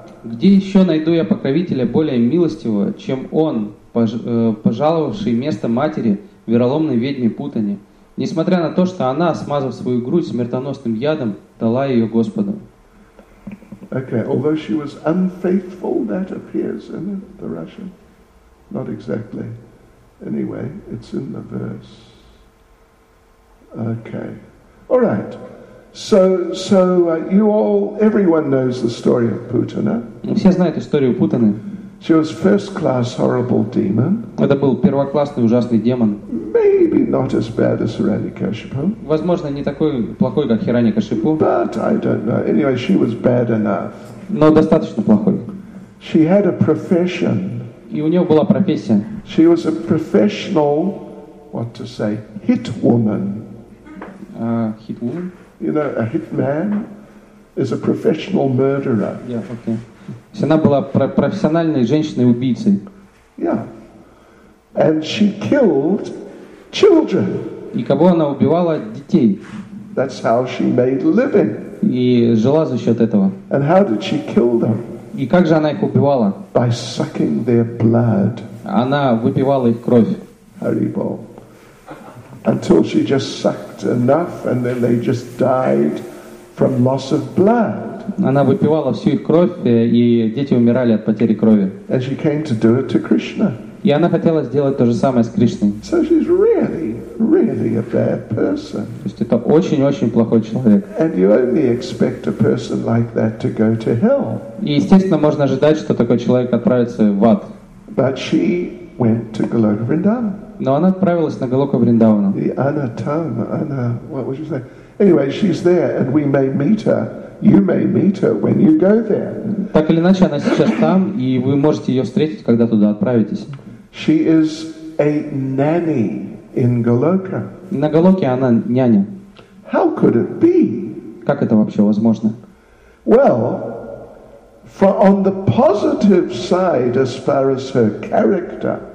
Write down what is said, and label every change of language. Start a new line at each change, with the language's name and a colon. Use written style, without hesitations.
Russian: Где еще найду я покровителя более милостивого, чем он, пожаловавший место матери вероломной ведьме Путане, несмотря на то, что она, смазав свою грудь смертоносным ядом, дала ее Господу?
English: Okay, although she was unfaithful, that appears in the Russian. Not exactly. Anyway, it's in the verse. Okay. All right. Everyone knows the story of Putana.
Russian: Все знают историю Путаны.
English: She was first-class horrible demon.
Russian: Это был первоклассный ужасный демон.
English: Maybe not as bad as Hiranyakashipu.
Russian: Возможно, не такой плохой, как Hiranyakashipu.
English: But I don't know. Anyway, she was bad enough.
Russian: Но достаточно плохой.
English: She had a profession.
Russian: И у нее была профессия.
English: She was a professional, what to say, hit woman. Hit woman? You know, a hit man is a professional murderer. Yeah, okay.
Russian: То есть она была профессиональной женщиной-убийцей.
English: Yeah. And she killed children.
Russian: И кого она убивала? Детей.
English: That's how she made a living.
Russian: И жила за счет этого.
English: And how did she kill them?
Russian: И как же она их убивала?
English: By sucking their blood.
Russian: Она выпивала их кровь.
English: Horrible. Until she just sucked enough and then they just died from loss of blood.
Russian: Она выпивала всю их кровь, и дети умирали от потери крови.
English: And she came to do it to Krishna.
Russian: И она хотела сделать то же самое с Кришной.
English: So she's really, really a bad person.
Russian: То есть это очень-очень плохой человек.
English: And you only expect a person like that to go to hell.
Russian: И естественно, можно ожидать, что такой человек отправится в ад.
English: But she went to Goloka Vrindavan.
Russian: Но она отправилась на Голоку Вриндавана.
English: The Anatama, Anna, what would you say? Anyway, she's there, and we may meet her. You may meet her when you go there.
Russian: Так или иначе, она сейчас там, и вы можете ее встретить, когда туда отправитесь.
English: She is a nanny in Goloka.
Russian: На Голоке она няня.
English: How could it be?
Russian: Как это вообще возможно?
English: Well, for on the positive side, as far as her character.